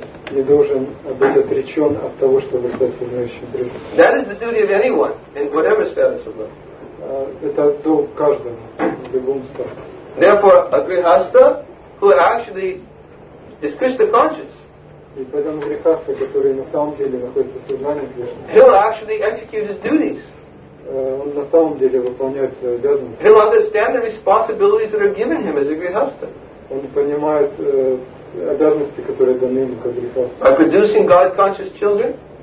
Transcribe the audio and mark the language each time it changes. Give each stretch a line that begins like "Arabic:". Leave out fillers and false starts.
Russian: Не должен быть отречен от того, чтобы стать сознающим Кришну.
English: That is the duty of anyone in whatever status of life.
Russian: это долг каждому в любом статусе.
English: Therefore, a grihastha who actually is Krishna conscious.
Russian: И поэтому грехаста, который на самом деле находится в сознании Кришны.
English: He'll actually execute his duties.
Russian: Он на самом деле выполняет свои обязанности.
English: He'll understand the responsibilities that are given him as a grihastha.
Russian: Он понимает обязанности, которые даны ему как грехаста.
English: By producing God-conscious children.